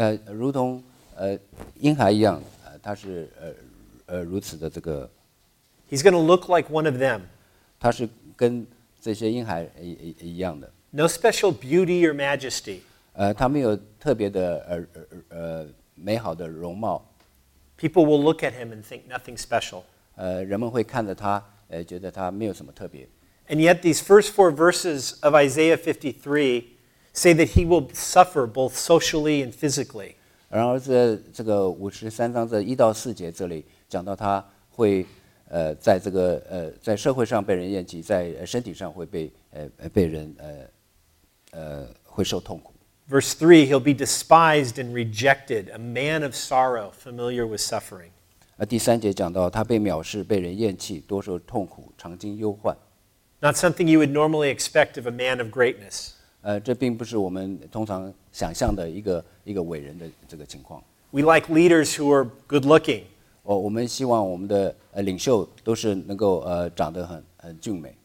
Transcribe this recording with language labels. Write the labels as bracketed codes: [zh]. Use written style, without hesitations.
[zh] 如同婴孩一样，他是如此的这个。 [en] He's going to look like one of them. [zh] 他是跟这些婴孩一样的。 [en] No special beauty or majesty. [zh] 他没有特别的美好的容貌。 [en] People will look at him and think nothing special. [zh] 人们会看着他。觉得他没有什么特别。 [en] And yet these first four verses of Isaiah 53 say that he will suffer both socially and physically. [zh] 然而这个五十三章这一到四节这里讲到他会在这个在社会上被人厌弃，在身体上会被人会受痛苦。 [en] Verse 3, he'll be despised and rejected, a man of sorrow, familiar with suffering. [zh] 第三节讲到他被藐视被人厌弃多受痛苦常经忧患 [en] Not something you would normally expect of a man of greatness [zh] 这并不是我们通常想象的一个伟人的这个情况 [en] We like leaders who are good looking. [zh] 我们希望我们的领袖都是能够长得很俊美。